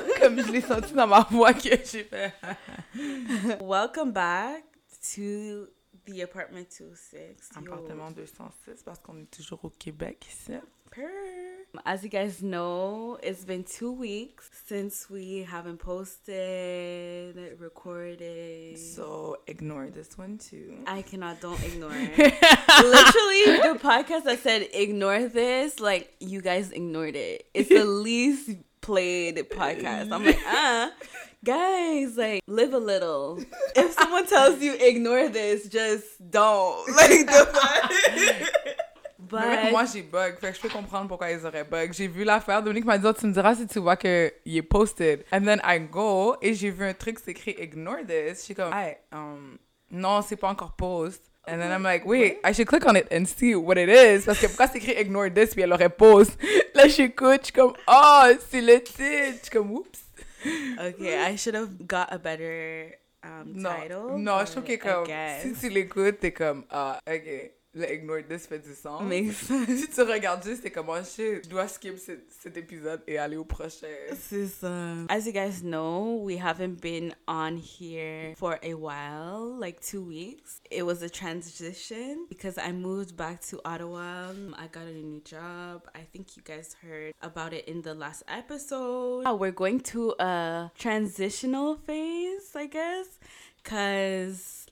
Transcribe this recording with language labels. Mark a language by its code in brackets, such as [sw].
[fr] Comme je l'ai senti dans ma voix que j'ai fait. [en] Welcome back to the apartment 206. [fr] Appartement 206, parce qu'on est toujours au Québec ici. [en] As you guys know, it's been 2 weeks since we haven't posted, recorded. So ignore this one too. I cannot, don't ignore it. Literally, the podcast that said ignore this, like, you guys ignored it. It's the least played podcast. I'm like, guys, like, live a little. If someone tells you ignore this, just don't. Like, the But... [fr] Moi, j'ai bug. Fait que je peux comprendre pourquoi ils auraient bug. J'ai vu l'affaire. Dominique m'a dit, oh, tu me diras si tu vois qu'il est posted. [en] And then I go [fr] et j'ai vu un truc s'écrit [en] ignore this. [fr] Je suis comme, hey, non, c'est pas encore post. [en] And then I'm like, wait, what? I should click on it and see what it is. [fr] Parce que pourquoi c'est écrit [en] ignore this [fr] puis elle aurait post. Là, j'écoute. Je suis comme, oh, c'est le titre. Je suis comme, oups. [en] Okay, I should have got a better title. [fr] Non, je trouve que comme, si tu l'écoutes, t'es comme, ah, okay. Le [en] ignore this [fr] fait du sens. Mais si tu regardes juste, c'est comment je dois skip cet épisode et aller au prochain. C'est ça. [en] As you guys know, we haven't been on here for a while, like 2 weeks. It was a transition because I moved back to Ottawa. I got a new job. I think you guys heard about it in the last episode. We're going to a transitional phase, I guess, because...